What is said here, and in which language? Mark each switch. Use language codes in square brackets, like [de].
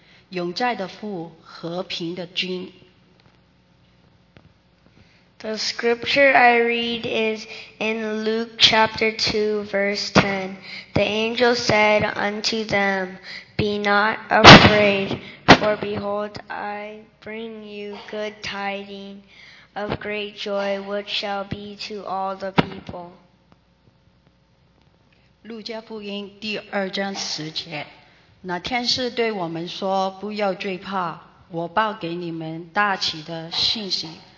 [zh] 因有一个婴孩为我们而生，有一子赐给我们，金权被担在他的肩头上。他名称为奇妙、差事、全能的神、永在的父、和平的君。 [en] The scripture I read is in Luke chapter 2, verse 10. The angel said unto them, Be not afraid, for behold, I bring you good tidings of great joy, which shall be to all the people. [zh] 路加福音第2章10节，那天使对我们说，不要惧怕，我报给你们大喜的信息。